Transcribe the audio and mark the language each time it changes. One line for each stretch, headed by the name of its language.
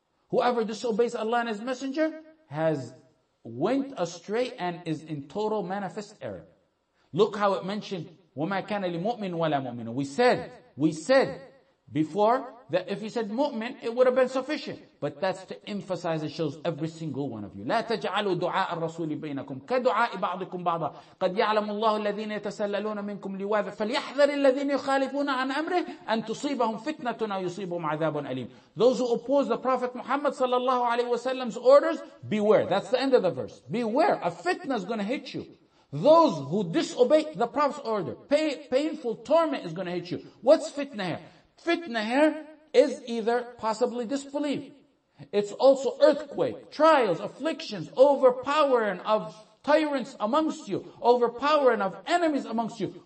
English: Whoever disobeys Allah and His Messenger has went astray and is in total manifest error. Look how it mentioned,
Arabic: وَمَا كَانَ لِمُؤْمِنٍ وَلَا مُؤْمِنٍ.
English: We said before that if he said mu'min, it would have been sufficient. But that's to emphasize, it shows every single one of you.
Arabic: لا تجعلوا دعاء الرسول بينكم كدعاء بعضكم بعضا قد يعلم الله الذين يتسللون منكم لواذا فليحذر الذين يخالفون عن أمره أن تصيبهم فتنة أو يصيبهم عذاب أليم.
English: Those who oppose the Prophet Muhammad sallallahu alaihi wasallam's orders, beware. That's the end of the verse. Beware, a fitna is going to hit you. Those who disobey the Prophet's order, painful torment is going to hit you. What's fitna here? Fitna here is either possibly disbelief. It's also earthquake, trials, afflictions, overpowering of tyrants amongst you, overpowering of enemies amongst you.